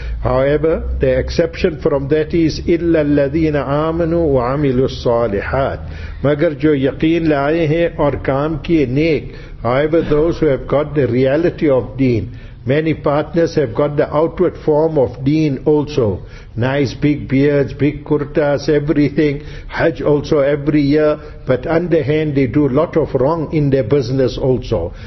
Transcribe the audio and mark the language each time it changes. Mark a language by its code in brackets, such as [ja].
[en] However, the exception from that is [ar] إِلَّا الَّذِينَ آمَنُوا وَعَمِلُوا الصَّالِحَاتِ. [ur] مَگر جو يَقِينَ لَآئے ہیں اور کام کیے نیک. [en] However, those who have got the reality of deen. Many partners have got the outward form of deen also. Nice big beards, big kurtas, everything. Hajj also every year. But underhand they do a lot of wrong in their business also.